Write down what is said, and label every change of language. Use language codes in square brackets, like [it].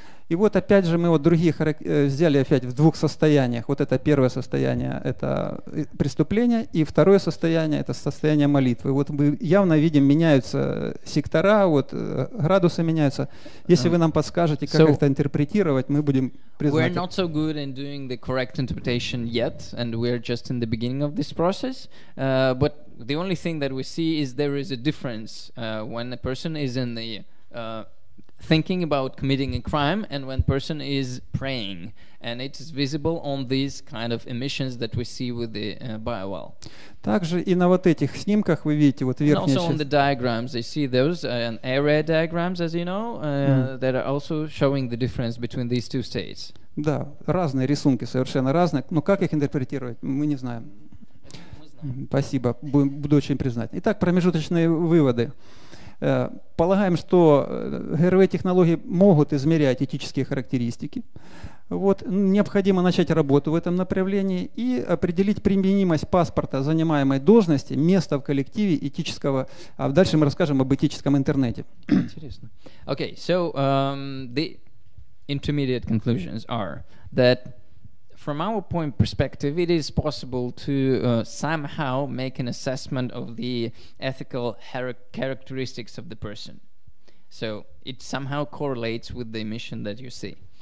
[ru] И вот опять же мы вот другие взяли опять в двух состояниях. Вот это первое состояние — это преступление, и второе состояние — это состояние молитвы. Вот мы явно видим, меняются сектора, вот градусы меняются. Если вы нам подскажете, как это интерпретировать, мы будем признательны. [en] We're not so good in doing the correct interpretation yet, and we're just in the beginning of this process. But the only thing that we see is there is a difference when a person is in the thinking about committing a crime and when person is praying, and it is visible on these kind of emissions that we see with the BioWell. [ru] Также и на вот этих снимках вы видите вот верхняя часть. [en] And also on the diagrams, you see those area diagrams, as you know, that are also showing the difference between these two states. [ru] Да, разные рисунки, совершенно разные. Но как их интерпретировать, мы не знаем. Спасибо, буду очень признательна. Итак, промежуточные выводы. Полагаем, что ГРВ-технологии могут измерять этические характеристики. Вот, необходимо начать работу в этом направлении и определить применимость паспорта занимаемой должности, места в коллективе этического, а дальше мы расскажем об этическом интернете. Интересно. [en] Okay, so the intermediate conclusions are that from our point perspective, it is possible to somehow make an assessment of the ethical characteristics of the person. So it somehow correlates with the emission that you see.